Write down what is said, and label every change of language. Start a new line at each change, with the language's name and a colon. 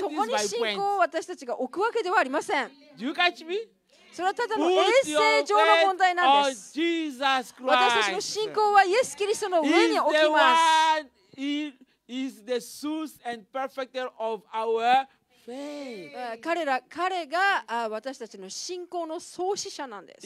Japanese: そこに信仰を私たちが置くわけではありません。
English: Do you catch me?
Japanese: それはただの衛生上の問題なんです。私たちの信仰はイエス・キリストの上に置きます。
English: He is the source and perfecter of our faith.
Japanese: 彼が私たちの信仰の創始者なんです。